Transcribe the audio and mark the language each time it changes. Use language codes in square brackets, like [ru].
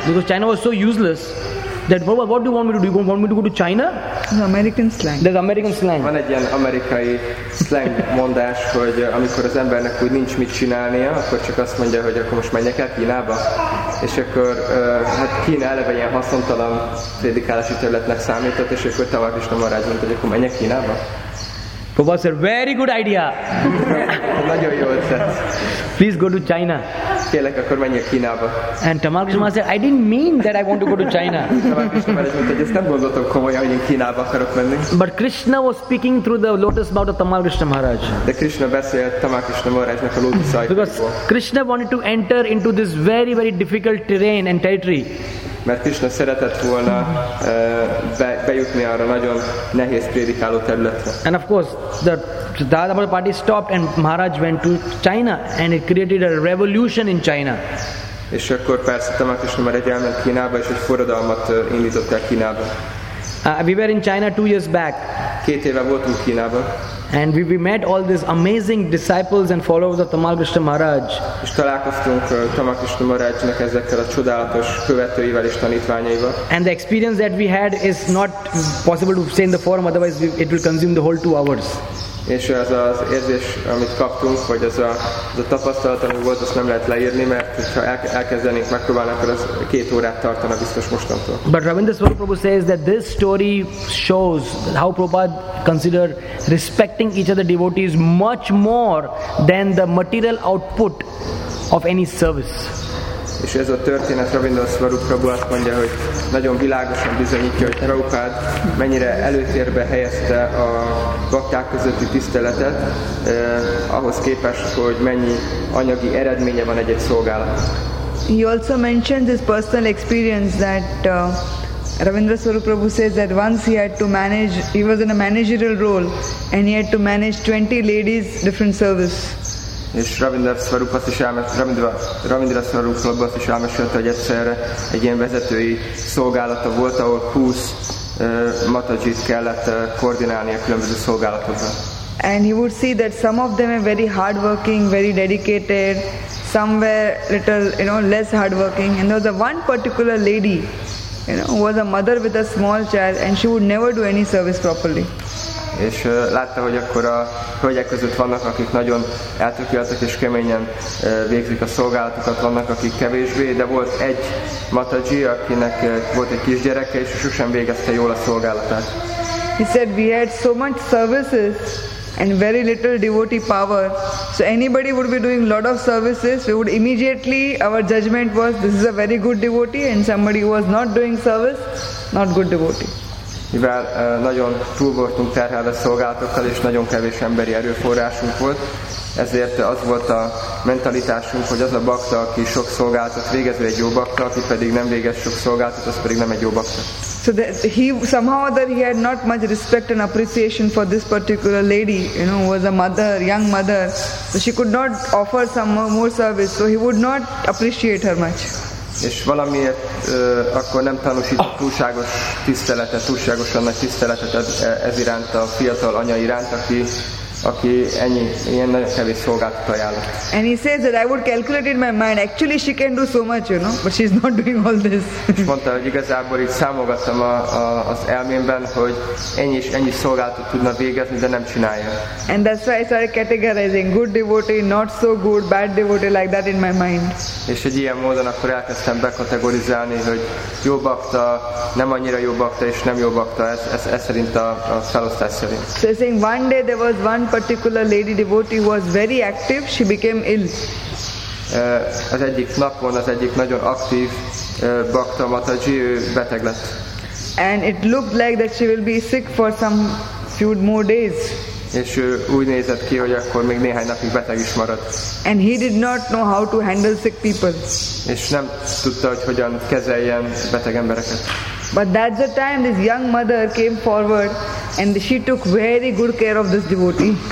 [en] Because China was so useless that what do you want me to do? You want me to go to China? American slang. There's American slang. [hu] Van egy ilyen amerikai slang mondás, hogy amikor az embernek úgy nincs mit csinálnia, akkor csak azt mondja, hogy akkor most menjek el Kínába. És akkor hát Kína eleve ilyen haszontalan prédikálási területnek számított, és akkor Tamal Krishna Maharaj mondta, hogy akkor menjek Kínába. [en] Prabhupada said, very good idea. [hu] Nagyon jó ötlet. [en] Please go to China. [hu] Kérlek, akkor menjél Kínába. [en] And Tamal Krishna Maharaj said, I didn't mean that I want to go to China. [hu] Tamal Krishna Maharaj mondta, hogy ezt nem gondoltam komolyan, hogy én Kínába akarok menni. [en] But Krishna was speaking through the lotus mouth of Tamal Krishna Maharaj. [hu] De Krishna beszélt Tamal Krishna Maharajnak a lotus ajtajából. [en] Because Krishna wanted to enter into this very, very difficult terrain and territory. [hu] Mert Krishna szeretett volna bejutni arra nagyon nehéz prédikáló területre. [en] And of course, the Dama Damodar party stopped and Maharaj went to China and it created a revolution in China. [hu] És akkor persze Tamal Krishna Maharaj elment Kínába és egy forradalmat indított el Kínába. [en] We were in China 2 years back. [hu] Két éve voltunk Kínába. [en] And we met all these amazing disciples and followers of Tamal Krishna Maharaj. [hu] És találkoztunk Tamal Krishna Maharajnak ezekkel a csodálatos követőivel és tanítványaival. [en] And the experience that we had is not possible to say in the forum, otherwise it will consume the whole 2 hours. [hu] És az az érzés, amit kaptunk, vagy az a tapasztalat, ami volt, azt nem lehet leírni, mert ha elkezdenénk megpróbálni, akkor az 2 órát tartana biztos mostantól. [en] But Ravindaswari Prabhu says that this story shows how Prabhupada consider respecting each other devotees much more than the material output of any service. [hu] És ez a történet Ravindaswari Prabhu azt mondja, hogy nagyon világosan bizonyítja, hogy Prabhupád mennyire előtérbe helyezte a bakták közötti tiszteletet, ahhoz képest, hogy mennyi anyagi eredménye van egy-egy szolgálat. [en] He also mentioned this personal experience that Ravindaswari Prabhu says that once he had to manage, he was in a managerial role, and he had to manage 20 ladies different service. [hu] És Ravindaswarup azt is elmesélte, hogy egyszerre egy ilyen vezetői szolgálata volt, ahol 20 matajit kellett koordinálni a különböző szolgálatokban. [en] And he would see that some of them are very hard working, very dedicated, some were little, you know, less hard working. And there was a one particular lady, you know, who was a mother with a small child, and she would never do any service properly. [hu] és látta, hogy akkor a hölgyek között vannak, akik nagyon eltökéltek és keményen végzik a szolgálatokat, vannak, akik kevésbé, de volt egy Mataji, akinek volt egy kisgyereke, és sosem végezte jól a szolgálatát. [en] He said, we had so much services and very little devotee power. So anybody would be doing lot of services, we would immediately, our judgment was, this is a very good devotee, and somebody who was not doing service, not good devotee. [hu] Mivel nagyon túl voltunk terhelve szolgálatokkal, és nagyon kevés emberi erőforrásunk volt, ezért az volt a mentalitásunk, hogy az a bakta, aki sok szolgálatot végez, egy jó bakta, aki pedig nem végez sok szolgálatot, az pedig nem egy jó bakta. [en] So that he somehow or other he had not much respect and appreciation for this particular lady, you know, who was a mother, young mother. So she could not offer some more service, so he would not appreciate her much. [hu] És valamiért akkor nem tanúsított túlságos tiszteletet, túlságosan nagy tiszteletet ez iránt, a fiatal anya iránt, aki ennyi, ilyen nagyon kevés szolgálatot ajánlott. [en] And he says that I would calculate in my mind, actually she can do so much, you know, but she's not doing all this. [hu] És mondta, hogy igazából így számolgattam az elmémben, hogy ennyi és ennyi szolgálatot tudna végezni, de nem csinálja. [en] And that's why I started categorizing, good devotee, not so good, bad devotee, like that in my mind. [hu] És egy ilyen módon akkor elkezdtem bekategorizálni, hogy jó bakta, nem annyira jó bakta, és nem jó bakta, ez szerint a felosztás szerint. [en] So he's saying, one day there was one particular lady devotee who was very active, she became ill. [hu] Az egyik napon az egyik nagyon aktív bakta Mataji beteg lett. [en] And it looked like that she will be sick for some few more days. [hu] És úgy nézett ki, hogy akkor még néhány napig beteg is maradt. [en] And he did not know how to handle sick people. [hu] És nem tudta, hogy hogyan kezeljen beteg embereket. [en] But that's the time this young mother came forward and she took very good care of this devotee.